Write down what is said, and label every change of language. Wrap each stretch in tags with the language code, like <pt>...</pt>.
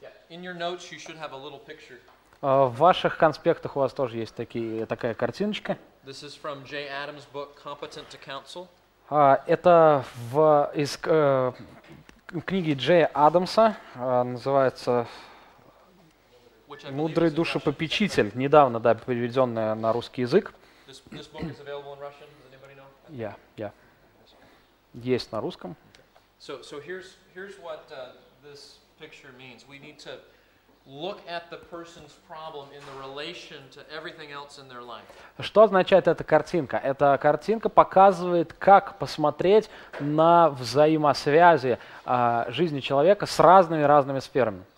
<en>In your notes you should have a little picture.</en> <ru>В ваших конспектах у вас тоже есть такая картиночка.</ru> <en>This is from Jay Adams' book Competent to Counsel.</en> <ru>Это из книги Джея Адамса, называется «Мудрый душепопечитель», недавно, да, переведённая на русский язык.</ru> <en>This book is available in Russian. Does anybody know?</en> <ru>Yeah. Есть на русском.</ru> <en>Okay. So here's what this picture means. We need to look at the person's problem in the relation to everything else in their life.</en> <ru>Что означает эта картинка? Эта картинка показывает, как посмотреть на взаимосвязи жизни человека с разными сферами.</ru>